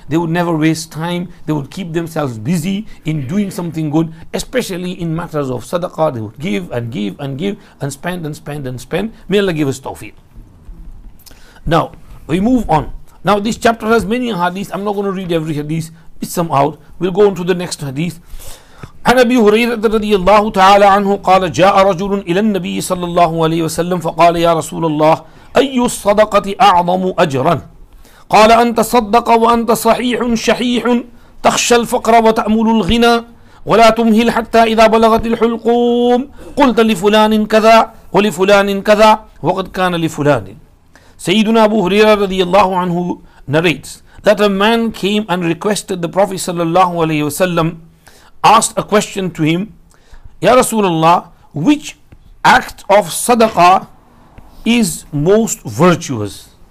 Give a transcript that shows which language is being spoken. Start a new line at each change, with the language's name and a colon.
English: They would never waste time. They would keep themselves busy in doing something good, especially in matters of sadaqah. They would give and give and give and spend and spend and spend. May Allah give us tawfiq. Now, we move on. Now, this chapter has many hadiths. I'm not going to read every hadith. Read some out. We'll go on to the next hadith.
Arabic: عن أبي هريرة رضي الله تعالى عنه قال جاء رجل إلى النبي صلى الله عليه وسلم فقال يا رسول الله أي الصدقة أعظم أجرا قال أن تصدق وأنت صحيح شحيح تخشى الفقر وتأمل الغنى ولا تمهل حتى إذا بلغت الحلقوم قلت لفلان كذا ولفلان كذا وقد كان لفلان. سيدنا أبو هريرة رضي الله عنه
English: narrates that a man came and requested the Prophet
Arabic: صلى الله عليه وسلم,
English: asked a question to him, Ya Rasulullah, which act of sadaqah is most virtuous?